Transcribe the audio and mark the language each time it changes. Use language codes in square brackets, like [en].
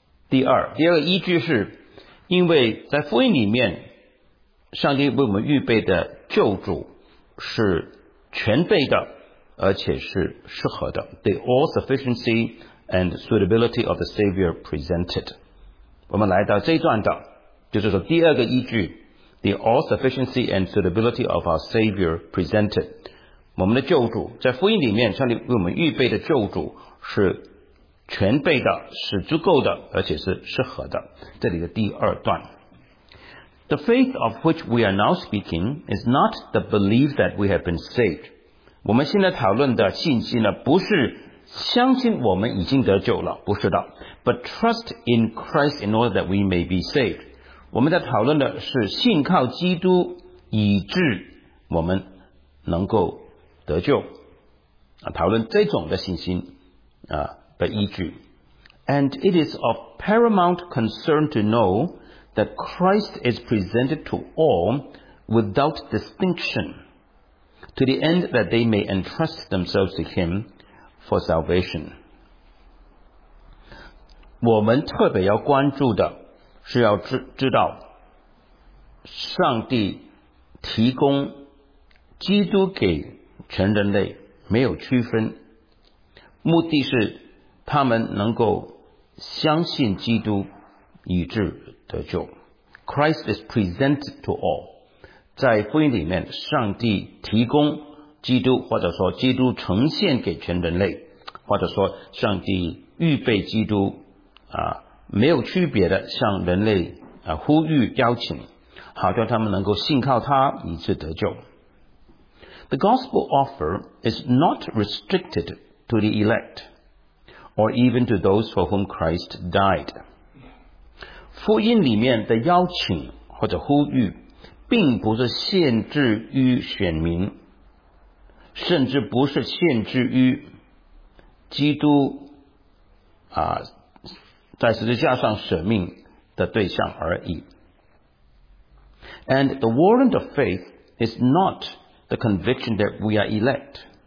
[zh] 第二个依据是因为在福音里面上帝为我们预备的救主是全备的，而且是适合的 [en] The all sufficiency and suitability of the Savior presented。 [zh] 我们来到这一段的，就是说第二个依据 [en] The all sufficiency and suitability of our Savior presented。 [zh] 我们的救主在福音里面上帝为我们预备的救主是全备的，是足够的，而且是适合的。这里的第二段 [en] The faith of which we are now speaking is not the belief that we have been saved。 [zh] 我们现在讨论的信息呢，不是相信我们已经得救了，不是的。 [en] But trust in Christ in order that we may be saved。 [zh] 我们在讨论的是信靠基督以致我们能够得救，讨论这种的信心的依据。 [en] And it is of paramount concern to know that Christ is presented to all without distinction to the end that they may entrust themselves to him for salvation。 [zh] 我们特别要关注的是要知道上帝提供基督给全人类没有区分，目的是他们能够相信基督以致得救。 [en] Christ is presented to all。 [zh] 在福音里面上帝提供基督，或者说基督呈现给全人类，或者说上帝预备基督没有区别的向人类呼吁邀请，好叫他们能够信靠他以致得救。 [en] The gospel offer is not restricted to the elect or even to those for whom Christ died。 [zh] 福音里面的邀请或者呼吁并不是限制于选民，甚至不是限制于基督在十字架上舍命的对象而已。 [en] And the warrant of faith is not the conviction that we are elect。